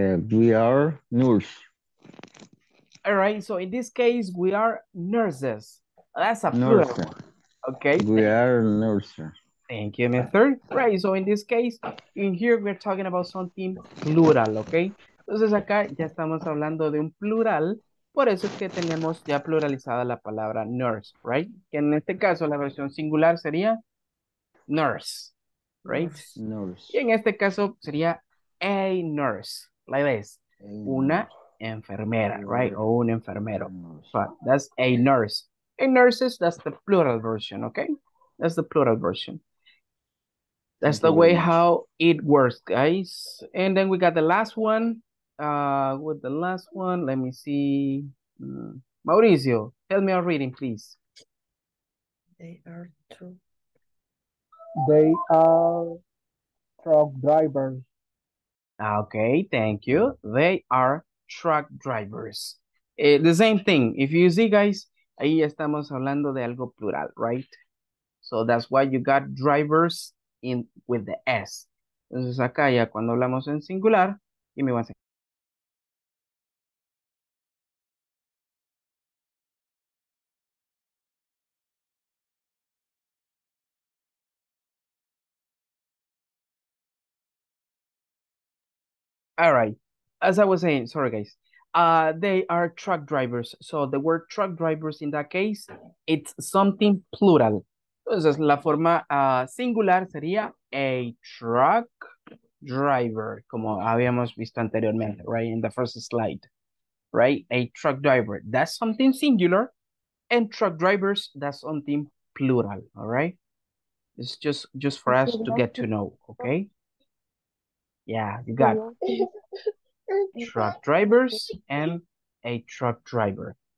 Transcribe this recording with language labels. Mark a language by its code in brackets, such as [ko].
[en] We are nurse. All right, so in this case, we are nurses. That's a plural. Okay. We are nurses. Thank you, Mr. Right, so in this case, in here, we're talking about something plural, okay? [es] Entonces, acá ya estamos hablando de un plural. Por eso es que tenemos ya pluralizada la palabra nurse, right? Que en este caso, la versión singular sería nurse, right? [en] Nurse. [es] Y en este caso, sería a nurse, [en] like this. [es] Una enfermera, right? O un enfermero. [en] But that's a nurse. A nurses, that's the plural version, okay? That's the plural version. That's the way how it works, guys. And then we got the last one. with the last one, let me see. Mauricio, tell me a reading, please. They are two. They are truck drivers. Okay, thank you. They are truck drivers. The same thing. If you see, guys, [es] ahí estamos hablando de algo plural, [en] right? So that's why you got drivers in with the S. [es] Entonces acá ya cuando hablamos en singular, [en] give me one second. All right. As I was saying, sorry, guys. They are truck drivers. So the word truck drivers in that case, it's something plural. [es] Entonces, la forma singular sería a truck driver, como habíamos visto anteriormente, right? [en] In the first slide, right? A truck driver, that's something singular. And truck drivers, that's something plural, all right? It's just for us to get to know, okay? Yeah, you got truck drivers and a truck driver.